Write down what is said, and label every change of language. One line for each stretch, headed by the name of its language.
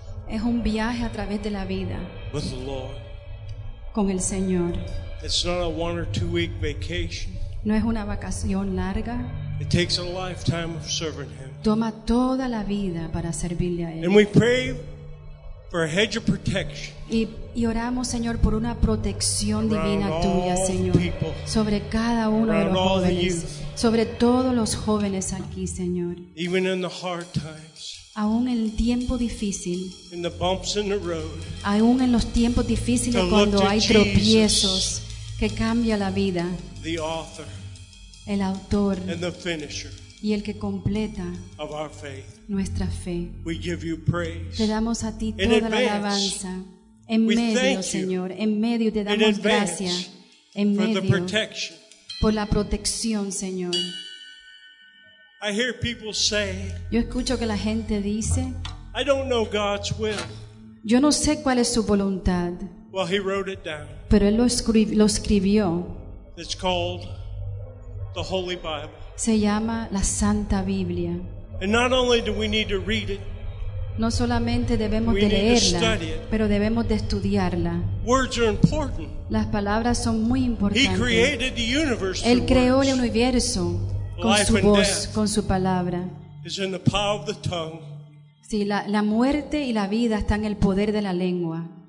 Spanish: Es un viaje a través de la vida.
English: With the Lord.
Spanish: Con el Señor.
English: It's not a 1 or 2 week vacation.
Spanish: No es una vacación larga.
English: It takes a lifetime of serving Him.
Spanish: Toma toda la vida para servirle a Él.
English: And we pray for a hedge of protection.
Spanish: Y oramos, Señor, por una protección divina tuya, Señor, sobre cada uno de los jóvenes, sobre todos los jóvenes aquí, Señor.
English: Even in the hard times,
Spanish: aún en el tiempo difícil,
English: in the bumps in the road,
Spanish: aún en los tiempos difíciles cuando hay tropiezos, que cambia la vida,
English: the author,
Spanish: el autor
English: and the finisher,
Spanish: y el que completa
English: of our faith,
Spanish: nuestra fe.
English: We give you praise.
Spanish: Te damos a ti toda
English: advance,
Spanish: la alabanza. En medio, Señor, en medio te damos gracias, en medio por la protección, Señor.
English: I hear people say,
Spanish: yo escucho que la gente dice,
English: I don't know God's will.
Spanish: Yo no sé cuál es su voluntad.
English: Well, he wrote it down.
Spanish: Pero él lo escribió.
English: It's called the Holy Bible.
Spanish: Se llama la Santa Biblia.
English: And not only do we need to read it,
Spanish: no solamente debemos de leerla, pero debemos de estudiarla.
English: Words are important.
Spanish: Las palabras son muy importantes. Él creó el universo con su voz, con su palabra. Sí, la muerte y la vida están en el poder de la lengua.